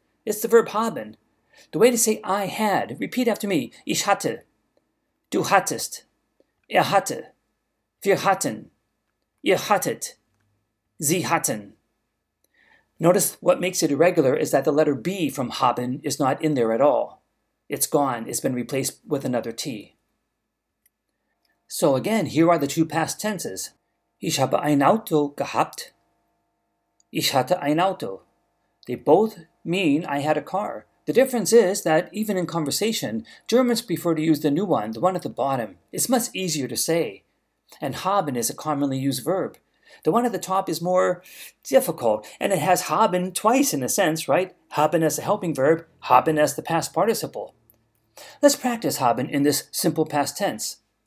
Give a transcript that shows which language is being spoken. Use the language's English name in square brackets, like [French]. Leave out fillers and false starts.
[English] It's the verb haben. The way to say I had, repeat after me, [German] ich hatte, du hattest, hatte, wir hatten, ihr hattet, sie hatten. [English] Notice what makes it irregular is that the letter B from haben is not in there at all. It's gone, it's been replaced with another T. So again, here are the two past tenses. [German] Ich habe ein Auto gehabt. Ich hatte ein Auto. [English] They both mean I had a car. The difference is that even in conversation, Germans prefer to use the new one, the one at the bottom. It's much easier to say. And haben is a commonly used verb. The one at the top is more difficult, and it has haben twice in a sense, right? Haben as a helping verb, haben as the past participle. Let's practice haben in this simple past tense.